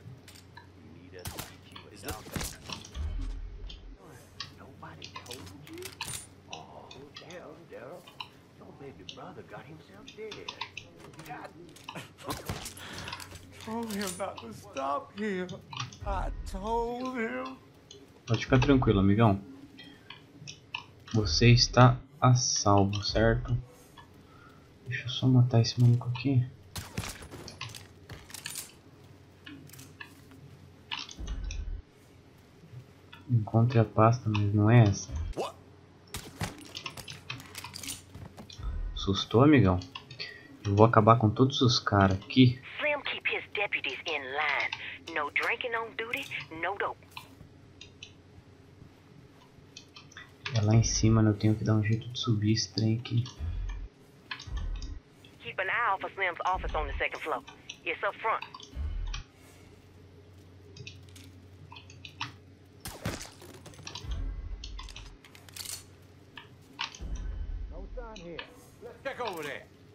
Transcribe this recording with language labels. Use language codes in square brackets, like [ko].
[en] You need a is that what? Nobody told you? Oh, Daryl, Daryl. Your baby brother got himself dead. God. Told him not to stop here. I told him. [pt] Pode ficar tranquilo, amigão. Você está a salvo, certo? Deixa eu só matar esse maluco aqui. Encontre a pasta, mas não é essa. Assustou, amigão? Eu vou acabar com todos os caras aqui. [en] Slim keep his deputies in line. No drinking on duty, no dope. [pt] É lá em cima, né? Eu tenho que dar um jeito de subir esse trem aqui. [en] Keep an eye for Slim's office on the second floor. It's up front. No sign here. Let's check over there.